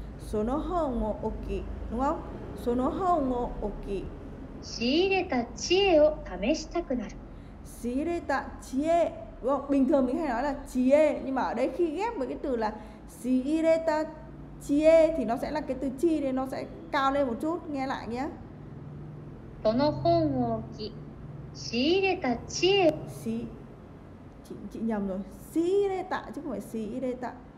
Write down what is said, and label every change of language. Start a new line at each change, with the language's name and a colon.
Japanese: その本を置き。仕入れた知恵を試したくなる。仕入れた知恵を、
Vietnamese: bình thường mình hay nói là 知恵, nhưng mà ở đây khi ghép với cái từ là 仕入れた 知恵 thì nó sẽ là cái từ 知 nên nó sẽ cao lên một chút, nghe lại nhé.
Japanese: その本を置き仕入れた知恵。
Vietnamese: chị nhầm rồi. 仕入れた chứ không phải 仕入れた.